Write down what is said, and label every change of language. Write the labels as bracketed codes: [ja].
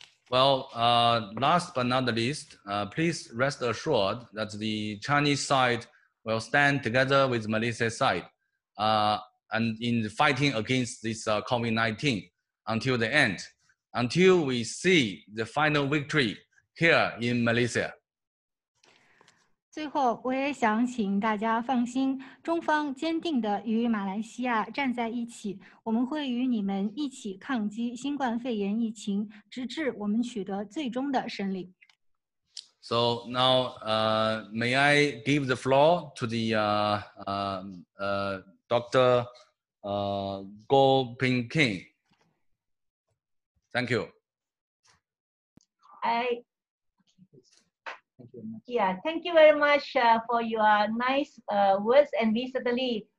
[en] Well, last but not least, please rest assured that the Chinese side will stand together with Malaysia side and in fighting against this COVID-19 until the end, until we see the final victory here in Malaysia. [zh] 最后，我也想请大家放心，中方坚定地与马来西亚站在一起，我们会与你们一起抗击新冠肺炎疫情，直至我们取得最终的胜利。So [en] now, may I give the floor to the Dr. Guo Pingping? Thank you. I. Thank you. Yeah, thank you very much for your nice words, and we certainly